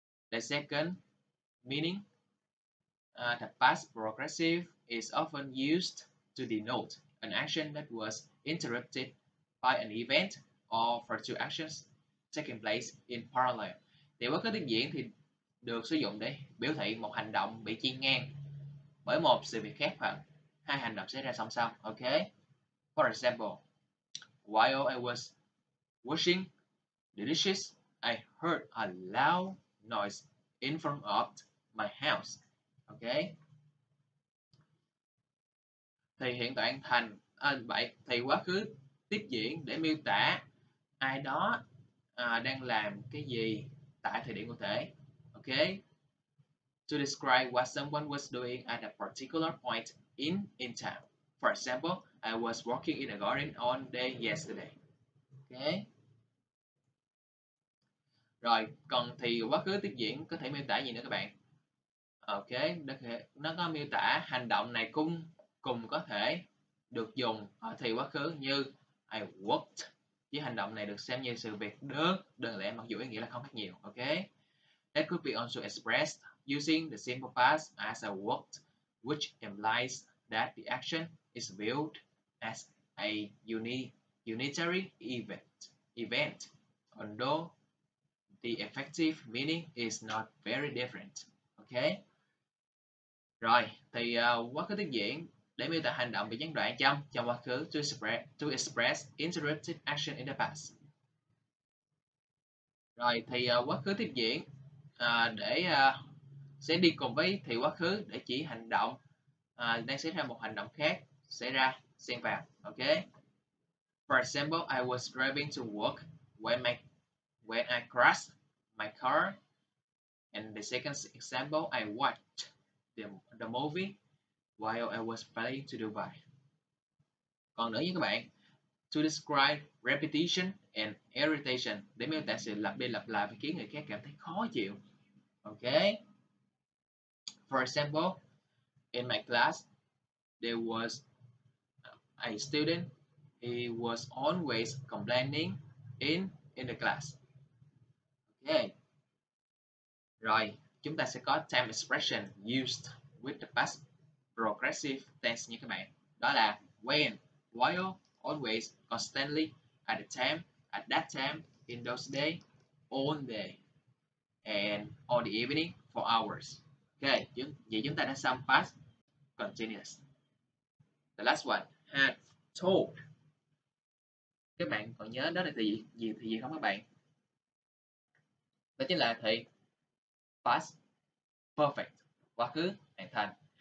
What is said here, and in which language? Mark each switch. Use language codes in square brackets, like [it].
[en] The second meaning, the past progressive is often used to denote an action that was interrupted by an event or for two actions taking place in parallel. [vi] Thì quá khứ tiếp diễn thì được sử dụng để biểu thị một hành động bị chia ngang bởi một sự việc khác hoặc hai hành động xảy ra song song. [en] Ok, for example, while I was washing the dishes, I heard a loud noise in front of my house. [vi] Ok, thì hiện tại thành vậy thì quá khứ tiếp diễn để miêu tả ai đó đang làm cái gì tại thời điểm cụ thể. [en] Ok, to describe what someone was doing at a particular point in time. For example, I was working in a garden all day yesterday. [vi] Ok, rồi còn thì quá khứ tiếp diễn có thể miêu tả gì nữa các bạn? Ok, nó có miêu tả hành động này cùng có thể được dùng ở thì quá khứ như [en] I worked. [vi] Chứ hành động này được xem như sự việc đơn lẻ mặc dù ý nghĩa là không khác nhiều. [en] Ok, that could be also expressed using the simple past as I worked which implies that the action is viewed as a unitary event, although the effective meaning is not very different. Okay? [vi] Rồi, thì quá khứ tiếp diễn để miêu tả hành động bị gián đoạn trong trong quá khứ [en] to express interrupted action in the past. [vi] Rồi, thì quá khứ tiếp diễn để sẽ đi cùng với thì quá khứ để chỉ hành động đang xảy ra một hành động khác xảy ra xen vào. [en] Ok. For example, I was driving to work when I crashed my car. And the second example, I watched the movie while I was flying to Dubai. [vi] Còn nữa nha các bạn, [en] to describe repetition and irritation, [vi] để miêu tả sự lặp đi lặp lại và khiến người khác cảm thấy khó chịu. [en] Ok. For example, in my class, there was a student. He was always complaining in the class. Okay. [vi] Rồi, chúng ta sẽ có [en] time expression used with the past progressive tense [vi] nha các bạn. Đó là [en] when, while, always, constantly, at the time, at that time, in those days, all day, and all the evening, for hours. Okay, [vi] vậy chúng ta đã xong [en] past continuous. The last one, have told. [vi] Các bạn còn nhớ đó là gì không các bạn? Đó chính là thì past perfect, quá khứ hoàn thành.